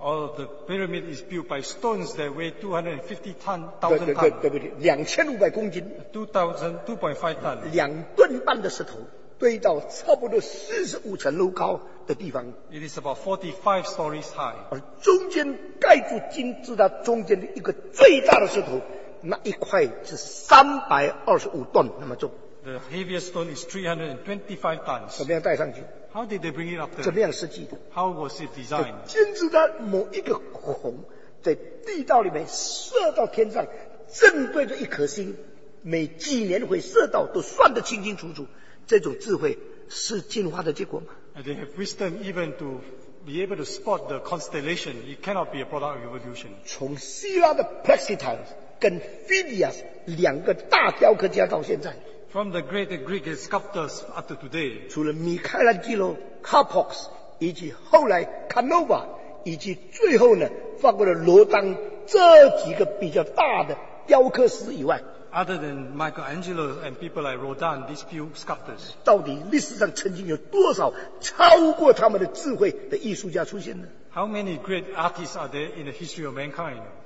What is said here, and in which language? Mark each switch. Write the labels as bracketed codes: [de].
[en] All of the pyramid is built by stones that weigh 250,000 tons. 2.5 tons. It is about 45 stories high. [zh] 而中间盖住金字塔中间的一个最大的石头, 那一块是325吨, 那么重。 [en] The heaviest stone is 325 tons. [zh] 怎么样带上去? [en] How did they bring it up there? [zh] 怎么样设计的? [en] How was it designed? [zh] 金字塔某一个孔, 在地道里面射到天上, 正对着一颗星, 每几年会射到都算得清清楚楚, 这种智慧是进化的结果吗? [en] And they have wisdom even to be able to spot the constellation. It cannot be a product of evolution. [zh] 从希腊的 Plexitas 跟 Phidias 两个大雕刻家到现在, [en] from the great Greek sculptors up to today, [zh] 除了米开朗基罗, Carpox, 以及后来 Canova, 以及最后呢, 法国的罗丹, 这几个比较大的雕刻师以外, [en] other than Michelangelo and people like Rodin, these few sculptors, [zh] 到底历史上曾经有多少超过他们的智慧的艺术家出现呢? [en] How many great artists are there in the history of mankind?